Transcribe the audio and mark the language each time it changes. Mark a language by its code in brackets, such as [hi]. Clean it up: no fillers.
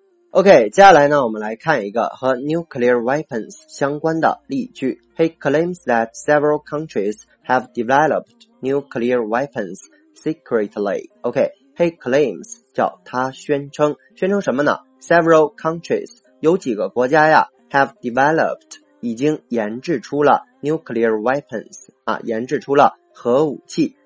[zh] OK， 接下来呢我们来看一个和 nuclear weapons 相关的例句。 [en] He claims that several countries have developed nuclear weapons secretly。 [zh] OK， [en] He claims [zh] 叫他宣称，宣称什么呢？ [en] Several countries [zh] 有几个国家呀， [en] have developed [zh] 已经研制出了 nuclear weapons 啊，研制出了核武器。